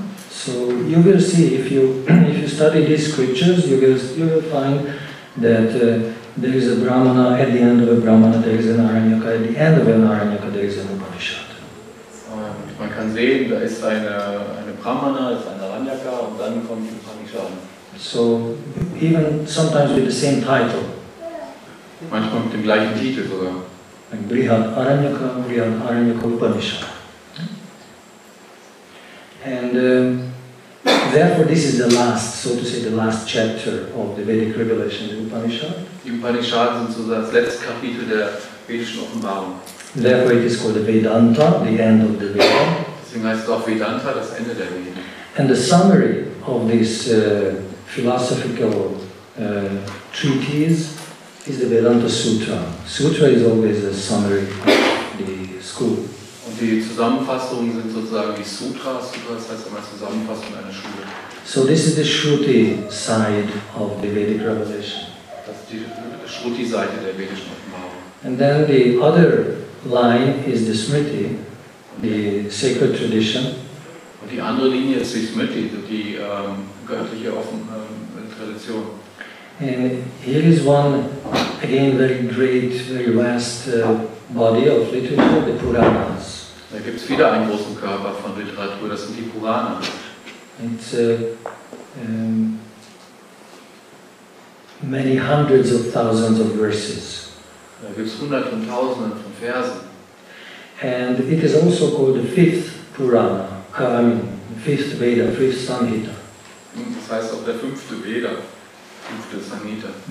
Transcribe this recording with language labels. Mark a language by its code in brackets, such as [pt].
[en] So you will see, if you study these scriptures, you will find that there is a Brahmana at the end of a Brahmana, there is an Aranyaka at the end of an Aranyaka, there is an Upanishad. [de] Man kann sehen, da ist eine Brahmana, ist eine Aranyaka, und dann kommt die Upanishad. [en] So even sometimes with the same title. [de] Manchmal mit dem gleichen Titel sogar. [en] Like Brihad Aranyaka Upanishad. And therefore this is the last, so to say, the last chapter of the Vedic Revelation, the Upanishad. [de] Die Upanishads sind so das letzte Kapitel der vedischen Offenbarung. [en] Therefore it is called the Vedanta, the end of the Veda. [de] Deswegen heißt es auch Vedanta, das Ende der Veda. [en] And the summary of this philosophical treatise is the Vedanta Sutra. Sutra is always a summary of the school. [de] Und die Zusammenfassungen sind sozusagen die Sutras. Sutras heißt immer Zusammenfassung einer Schule. [en] So this is the Shruti side of the Vedic Revelation. [de] Das ist die Shruti-Seite der vedischen Offenbarung. [en] And then the other line is the Smriti, the sacred tradition. [de] Und die andere Linie ist die Smriti, die göttliche Tradition. [en] And here is one, again, very great, very vast body of literature, the Puranas. [de] Da gibt es wieder einen großen Körper von Literatur, das sind die Purana. [en] It's many hundreds of thousands of verses. [de] Da gibt es hundert und tausenden von Versen. [en] And it is also called the fifth Purana, the fifth Veda, fifth Samhita. [de] Das heißt auch der fünfte Veda, fünfte Samhita.